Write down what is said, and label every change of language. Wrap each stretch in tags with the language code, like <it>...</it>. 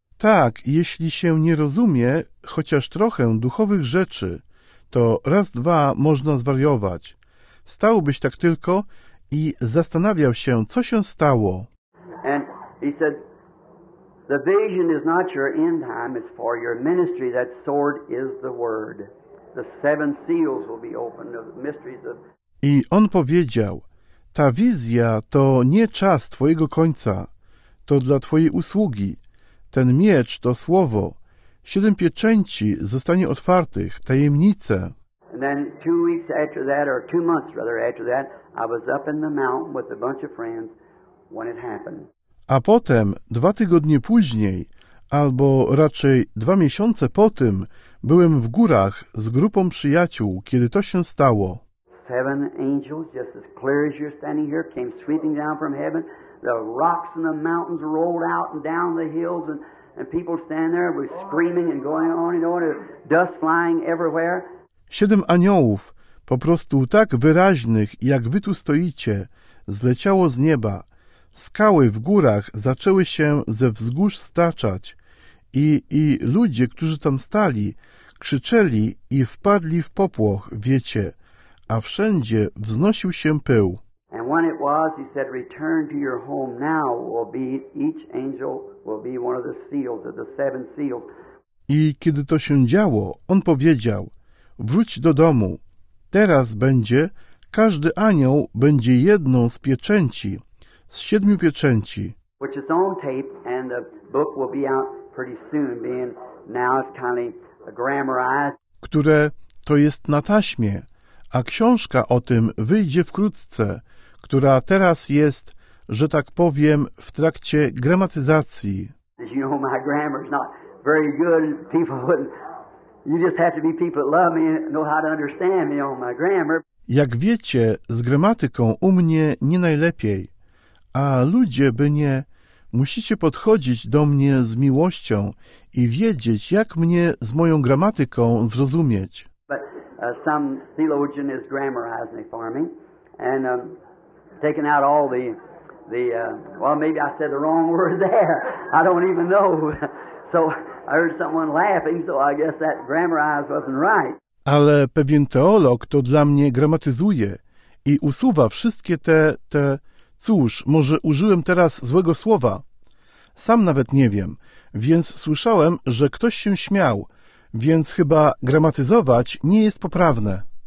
<pl>Tak, jeśli się nie rozumie chociaż trochę duchowych rzeczy, to raz, dwa można zwariować. Stałbyś tak tylko i zastanawiał się, co się stało.</pl> <en>And he said, the vision is not your end time, it's for your ministry. That sword is the word. The seven seals will be opened of the mysteries of.</en> <pl>I on powiedział, ta wizja to nie czas twojego końca, to dla twojej usługi. Ten miecz to słowo. Siedem pieczęci zostanie otwartych, tajemnice.</pl> <en>And then 2 weeks after that, or 2 months rather after that, I was up in the mountain with a bunch of friends when it happened.</en> <pl>A potem, 2 tygodnie później, albo raczej 2 miesiące po tym, byłem w górach z grupą przyjaciół, kiedy to się stało.</pl> <en>Seven angels, just as clear as you're standing here, came sweeping down from heaven. The rocks and the mountains rolled out and down the hills, and people stand there were screaming and going on and on, dust flying everywhere.</en> <pl>7 aniołów, po prostu tak wyraźnych, jak wy tu stoicie, zleciało z nieba. Skały w górach zaczęły się ze wzgórz staczać i ludzie, którzy tam stali, krzyczeli i wpadli w popłoch, wiecie, a wszędzie wznosił się pył.</pl> <en>And And when it was, he said, return to your home now. Will be each angel will be one of the seals of the seven seals.</en> <pl>I kiedy to się działo, on powiedział, wróć do domu. Teraz będzie, każdy anioł będzie jedną z pieczęci, z siedmiu pieczęci.</pl> <en>Which is on tape, and the book will be out pretty soon, being now it's kind of grammarized.</en> <pl>Które to jest na taśmie, a książka o tym wyjdzie wkrótce, która teraz jest, że tak powiem, w trakcie gramatyzacji.</pl> <en>As you know, my grammar's not very good. People wouldn't. You just have to be people that love me and know how to understand me on my grammar.</en> <pl>Jak wiecie, z gramatyką u mnie nie najlepiej, a ludzie by nie. Musicie podchodzić do mnie z miłością i wiedzieć, jak mnie z moją gramatyką zrozumieć.</pl> <en>But some theologian is grammarizing for me and taking out all the maybe I said the wrong word there. I don't even know. So I heard someone laughing, so I guess that grammarized wasn't right.</en> <pl>Ale pewien teolog to dla mnie gramatyzuje i usuwa wszystkie te... Cóż, może użyłem teraz złego słowa? Sam nawet nie wiem, więc słyszałem, że ktoś się śmiał, więc chyba gramatyzować nie jest poprawne.</pl>